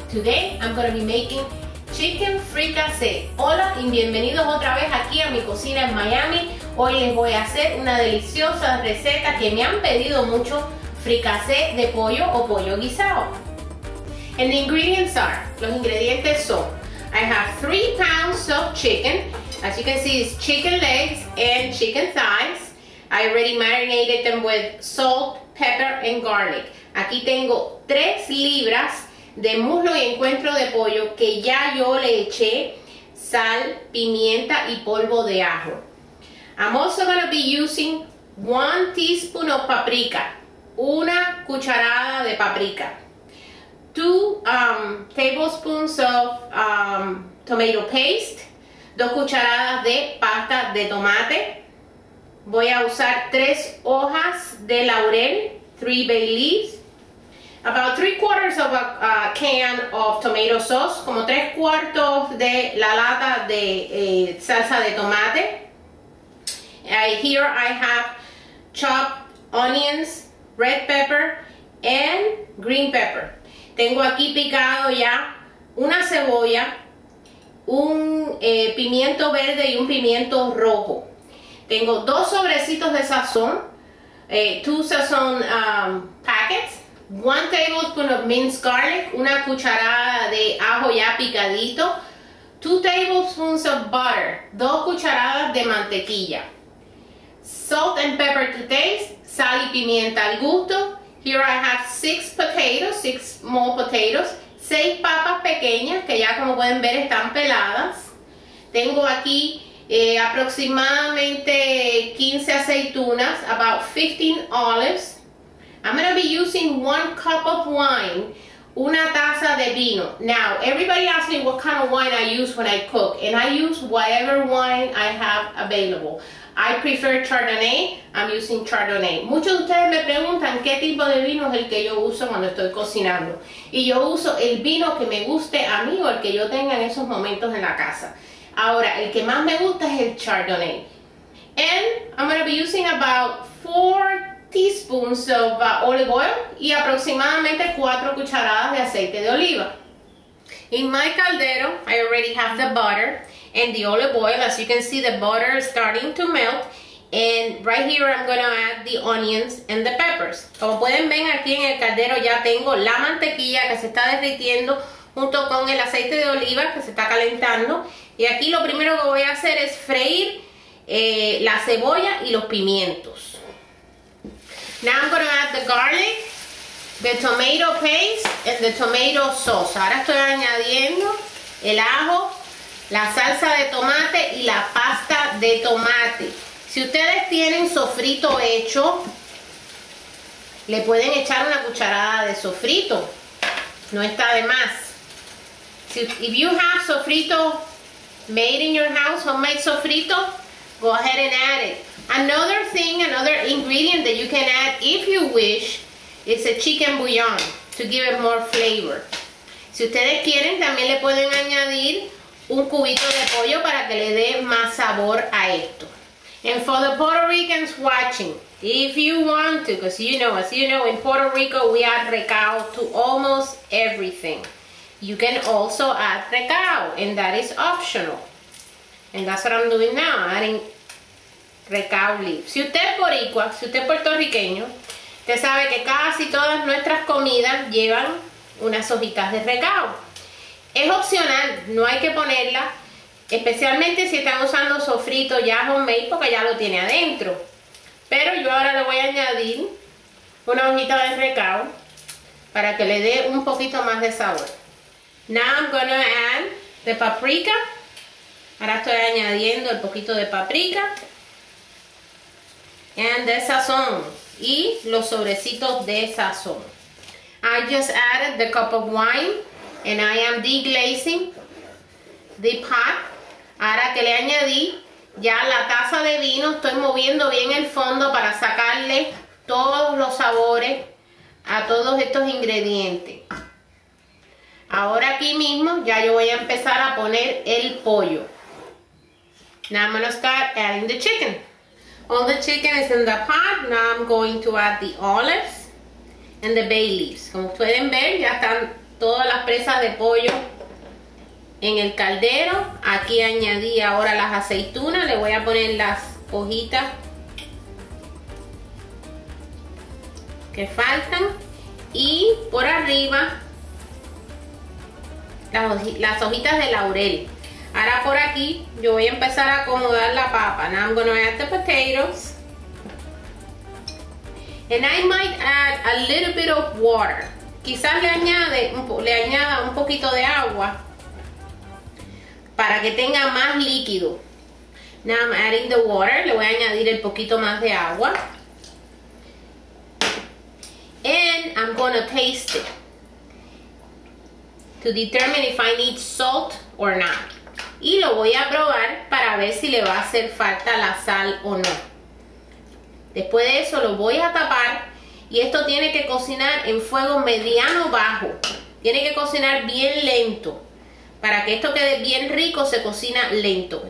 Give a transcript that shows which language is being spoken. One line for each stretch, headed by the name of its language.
English: Today I'm going to be making chicken fricassee.
Spanish: Hola y bienvenidos otra vez aquí a mi cocina en Miami. Hoy les voy a hacer una deliciosa receta que me han pedido mucho, fricassee de pollo o pollo guisado.
English: And the ingredients are,
Spanish: los ingredientes son,
English: I have 3 pounds of chicken. As you can see, it's chicken legs and chicken thighs. I already marinated them with salt, pepper, and garlic.
Spanish: Aquí tengo 3 libras de muslo y encuentro de pollo que ya yo le eché sal, pimienta y polvo de ajo.
English: I'm also going to be using 1 teaspoon of paprika,
Spanish: una cucharada de paprika.
English: 2 tablespoons of tomato paste,
Spanish: 2 cucharadas de pasta de tomate. Voy a usar 3 hojas de laurel,
English: 3 bay leaves. About 3/4 of a can of tomato sauce,
Spanish: como 3/4 de la lata de salsa de tomate.
English: Here I have chopped onions, red pepper, and green pepper.
Spanish: Tengo aquí picado ya una cebolla, un pimiento verde y un pimiento rojo. Tengo 2 sobrecitos de sazón,
English: 2 sazón packets. 1 tablespoon of minced garlic,
Spanish: una cucharada de ajo ya picadito.
English: 2 tablespoons of butter,
Spanish: 2 cucharadas de mantequilla.
English: Salt and pepper to taste,
Spanish: sal y pimienta al gusto.
English: Here I have 6 potatoes, 6 small potatoes.
Spanish: 6 papas pequeñas que ya como pueden ver están peladas. Tengo aquí aproximadamente 15 aceitunas,
English: about 15 olives. I'm going to be using 1 cup of wine,
Spanish: una taza de vino.
English: Now, everybody asks me what kind of wine I use when I cook, and I use whatever wine I have available. I prefer Chardonnay, I'm using Chardonnay.
Spanish: Muchos de ustedes me preguntan qué tipo de vino es el que yo uso cuando estoy cocinando. Y yo uso el vino que me guste a mí o el que yo tenga en esos momentos en la casa. Ahora, el que más me gusta es el Chardonnay.
English: And I'm going to be using about 4 teaspoons of olive oil
Spanish: y aproximadamente 4 cucharadas de aceite de oliva.
English: In my caldero, I already have the butter and the olive oil. As you can see, the butter is starting to melt. And right here, I'm going to add the onions and the peppers.
Spanish: Como pueden ver, aquí en el caldero ya tengo la mantequilla que se está derritiendo junto con el aceite de oliva que se está calentando. Y aquí lo primero que voy a hacer es freír la cebolla y los pimientos.
English: Now I'm going to add the garlic, the tomato paste, and the tomato sauce.
Spanish: Ahora estoy añadiendo el ajo, la salsa de tomate y la pasta de tomate. Si ustedes tienen sofrito hecho, le pueden echar una cucharada de sofrito. No está de más.
English: If you have sofrito made in your house, homemade sofrito, go ahead and add it. Another thing, another ingredient that you can add if you wish, is a chicken bouillon to give it more flavor. Si ustedes quieren, también le pueden añadir un cubito de pollo para que le dé más sabor a esto. And for the Puerto Ricans watching, if you want to, because you know, as you know, in Puerto Rico we add recao to almost everything. You can also add recao, and that is optional. And that's what I'm doing now, adding recao leaves.
Spanish: Si usted es boricua, si usted es puertorriqueño, usted sabe que casi todas nuestras comidas llevan unas hojitas de recao. Es opcional, no hay que ponerla, especialmente si están usando sofrito ya homemade, porque ya lo tiene adentro. Pero yo ahora le voy a añadir una hojita de recao para que le dé un poquito más de sabor.
English: Now I'm going to add the paprika.
Spanish: Ahora estoy añadiendo el poquito de paprika.
English: And the sazón.
Spanish: Y los sobrecitos de sazón.
English: I just added the cup of wine. And I am deglazing the pot.
Spanish: Ahora que le añadí ya la taza de vino, estoy moviendo bien el fondo para sacarle todos los sabores a todos estos ingredientes. Ahora aquí mismo ya yo voy a empezar a poner el pollo.
English: Now I'm going to start adding the chicken. All the chicken is in the pot. Now I'm going to add the olives and the bay leaves.
Spanish: Como pueden ver, ya están todas las presas de pollo en el caldero. Aquí añadí ahora las aceitunas, le voy a poner las hojitas que faltan y por arriba las hojitas de laurel. Ahora por aquí yo voy a empezar a acomodar la papa.
English: Now I'm going to add the potatoes. And I might add a little bit of water.
Spanish: Quizás le añada un poquito de agua para que tenga más líquido.
English: Now I'm adding the water.
Spanish: Le voy a añadir el poquito más de agua.
English: And I'm going to taste it to determine if I need salt or not.
Spanish: Y lo voy a probar para ver si le va a hacer falta la sal o no. Después de eso lo voy a tapar y esto tiene que cocinar en fuego mediano bajo. Tiene que cocinar bien lento. Para que esto quede bien rico, se cocina lento.